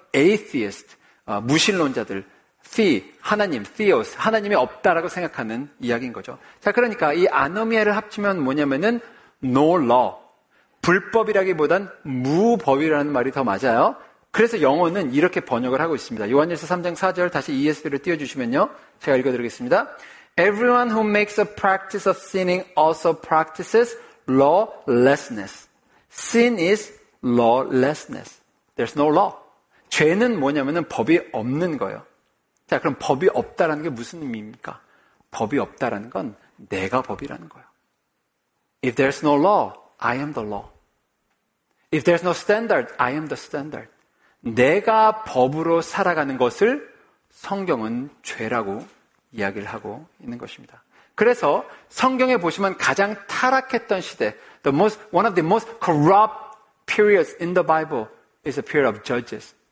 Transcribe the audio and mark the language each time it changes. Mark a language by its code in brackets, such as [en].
[ko] atheist, 무신론자들, thee, 하나님, theos, 하나님이 없다라고 생각하는 이야기인 거죠. 자, 그러니까 이 anomia를 합치면 뭐냐면은 no law, 불법이라기보단 무법이라는 말이 더 맞아요. 그래서 영어는 이렇게 번역을 하고 있습니다. 요한일서 3장 4절 다시 ESV를 띄워주시면요. 제가 읽어드리겠습니다. [en] Everyone who makes a practice of sinning also practices lawlessness. Sin is lawlessness. There's no law. [ko] 죄는 뭐냐면은 법이 없는 거예요. 자, 그럼 법이 없다라는 게 무슨 의미입니까? 법이 없다라는 건 내가 법이라는 거예요. [en] If there's no law, I am the law. If there's no standard, I am the standard. [ko] 내가 법으로 살아가는 것을 성경은 죄라고 이야기를 하고 있는 것입니다. 그래서 성경에 보시면 가장 타락했던 시대, [en] the most, one of the most corrupt periods in the Bible is a period of judges.